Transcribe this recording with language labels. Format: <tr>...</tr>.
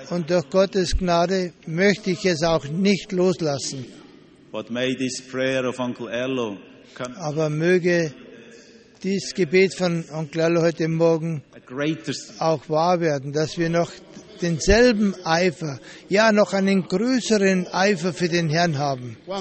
<de>und durch Gottes Gnade möchte ich es auch nicht loslassen.</de> <en>But may this prayer of Uncle Erlo come.</en> <de>Aber möge dieses Gebet von Onkel Erlo heute Morgen auch wahr werden, dass wir noch denselben Eifer, ja, noch einen größeren Eifer für den Herrn haben.</de>